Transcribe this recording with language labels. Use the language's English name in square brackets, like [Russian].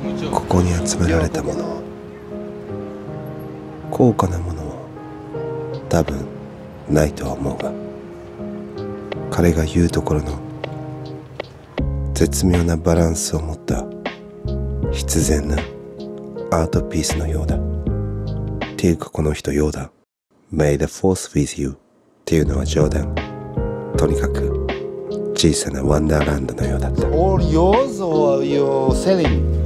[Japanese] ここに集められたもの、高価なものは多分ないとは思うが、彼が言うところの絶妙なバランスを持った必然なアートピースのようだ。っていうかこの人ようだ。 [English] May the force with you [Japanese] っていうのは冗談。とにかく小さなワンダーランドのようだった。 [English] All yours or you're selling?